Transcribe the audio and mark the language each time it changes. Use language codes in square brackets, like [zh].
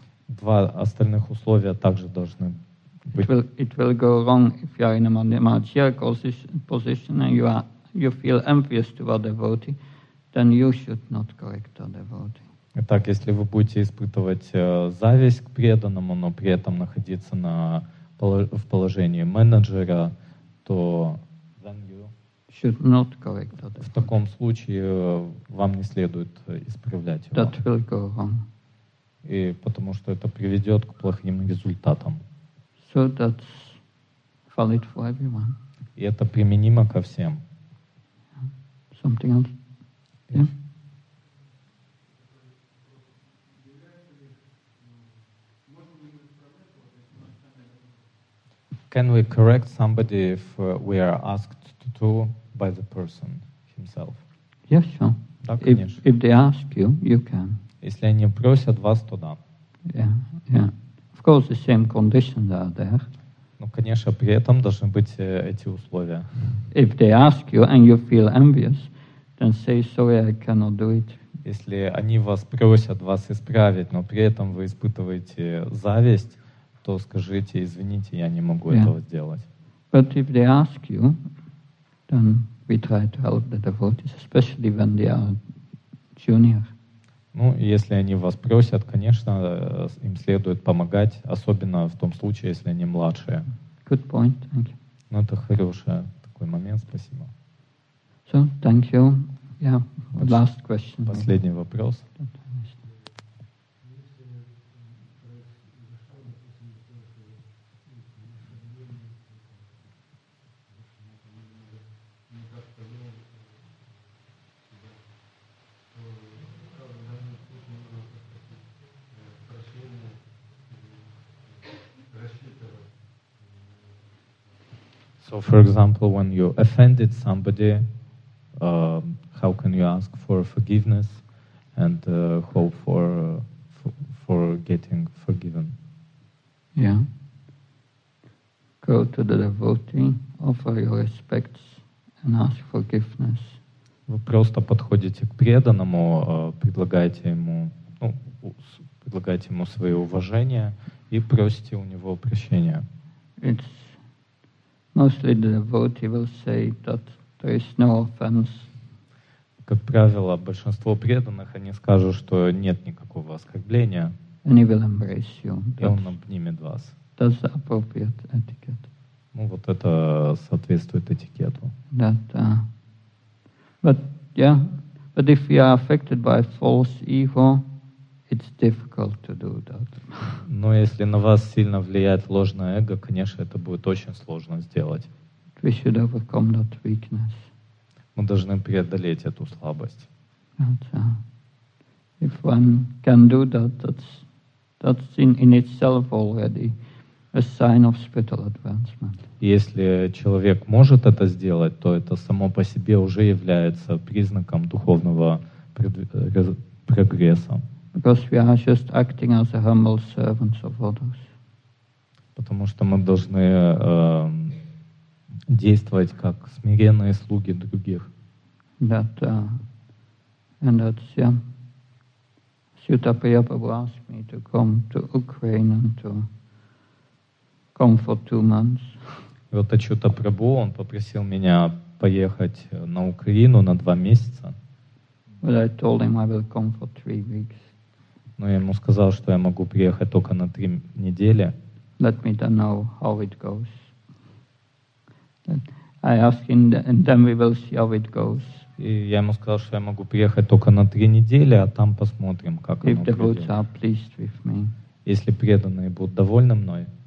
[ru] Два остальных условия также должны быть. [en] It will go wrong if you are in a managerial position and you feel envious to a devotee, then you should not correct a devotee. [ru] Итак, если вы будете испытывать зависть к преданному, но при этом находиться в положении менеджера, то [en] then you should not correct a devotee. [ru] В таком случае вам не следует исправлять его. [en] That will go wrong. [ru] И потому что это приведет к плохим результатам. [en] So that's valid for everyone. [ru] И это применимо ко всем. [en] Something else? Yeah. Can we correct somebody if we are asked to do by the person himself? Yes, sure. [ru] Да, конечно. [en] If they ask you, you can. [ru] Если они просят вас, то да. [en] Yeah, yeah. Of course, the same conditions are there. [ru] Ну, конечно, при этом должны быть эти условия. [en] If they ask you and you feel envious, then say sorry, I cannot do it. [ru] Если они вас просят вас исправить, но при этом вы испытываете зависть, то скажите, извините, я не могу yeah. этого сделать. [en] But if they ask you, then we try to help the devotees, especially when they are junior. [ru] Ну, если они вас просят, конечно, им следует помогать, особенно в том случае, если они младшие. [en] Good point, thank you. [ru] Ну, это хороший такой момент, спасибо. [en] So, thank you. Yeah, last question. [ru] Последний вопрос. [en] So, for example, when you offended somebody, how can you ask for forgiveness and hope for getting forgiven? Yeah. Go to the devotee, offer your respects and ask forgiveness. [ru] Вы просто подходите к преданному, предлагаете ему свои уважения и просите у него прощения. [en] It's mostly the devotee will say that there is no offense. [ru] Как правило, большинство преданных они скажут, что нет никакого оскорбления. [en] And he will embrace you. [ru] И он обнимет вас. [en] That's the appropriate etiquette. [ru] Ну вот это соответствует этикету. [en] That, but yeah, but if you are affected by false ego, it's difficult to do that. [ru] Но если на вас сильно влияет ложное эго, конечно, это будет очень сложно сделать. [en] We should overcome that weakness. [ru] Мы должны преодолеть эту слабость. [en] But, if one can do that, that's in itself already a sign of spiritual advancement. [ru] Если человек может это сделать, то это само по себе уже является признаком духовного прогресса. [en] Because we are just acting as a humble servants of others. [ru] Потому что мы должны действовать как смиренные слуги других. [en] That, and that's, yeah. Sutta Priyapabhu asked me to come to Ukraine and to come for 2 months. [ru] И вот Ачюта Прабу, он попросил меня поехать на Украину на 2 месяца. [en] But I told him I will come for 3 weeks. [ru] Но я ему сказал, что я могу приехать только на 3 недели. [en] Let me then know how it goes. I ask him, and then we will see how it goes. [ru] И я ему сказал, что я могу приехать только на 3 недели, а там посмотрим, как [en] if [ru] оно the будет. [en] Are pleased with me. [ru] Если преданные будут довольны мной.